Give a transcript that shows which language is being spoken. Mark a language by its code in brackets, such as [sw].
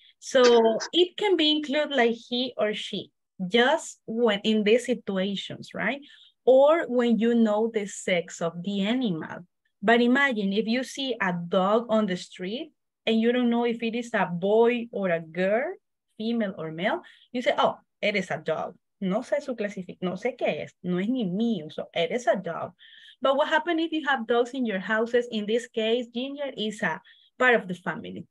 [en] So it can be included like he or she, just when in these situations, right? Or when you know the sex of the animal. But imagine if you see a dog on the street and you don't know if it is a boy or a girl, female or male, you say, oh, it is a dog. [es] No sé su clasificación, no sé qué es, no es ni mío, [en] so it is a dog. But what happens if you have dogs in your houses? In this case, Ginger is a part of the family.